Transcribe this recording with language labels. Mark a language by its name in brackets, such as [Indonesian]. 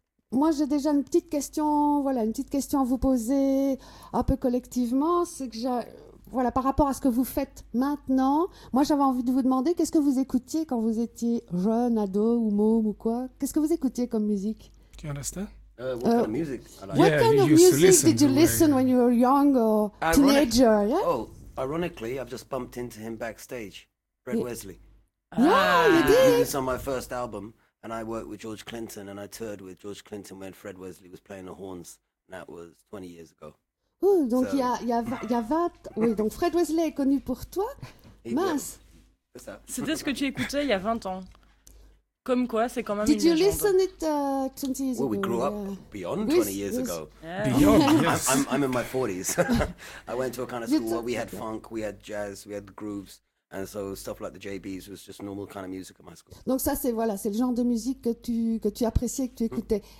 [French] Moi, j'ai déjà une petite question, voilà, une petite question à vous poser un peu collectivement. C'est que, voilà, par rapport à ce que vous faites maintenant, moi, j'avais envie de vous demander, qu'est-ce que vous écoutiez quand vous étiez jeune, ado ou môme ou quoi? Qu'est-ce que vous écoutiez comme musique? [English] Do you understand? What kind of music? What kind of music did you listen when you were young or teenager? Yeah? Oh, ironically, I've just bumped into him backstage, Fred Wesley. Yeah, you did. He did this on my first album. And I worked with George Clinton, and I toured with George Clinton when Fred Wesley was playing the horns. And that was 20 years ago. [French] Oh, donc il y a 20... Oui, donc Fred Wesley est connu pour toi. Mince. C'était ce que tu écoutais il y a 20 ans. Comme quoi, c'est quand même [English] did [French] une légende. [English] Did you listen it 20 years ago? Well, we grew up beyond 20 years ago. Yeah. Beyond, yes. I'm in my 40s. I went to a kind of school where we had funk, we had jazz, we had grooves. And so stuff like the JB's was just normal kind of music at my school. [French] Donc ça c'est voilà, c'est le genre de musique que tu appréciais, que tu écoutais.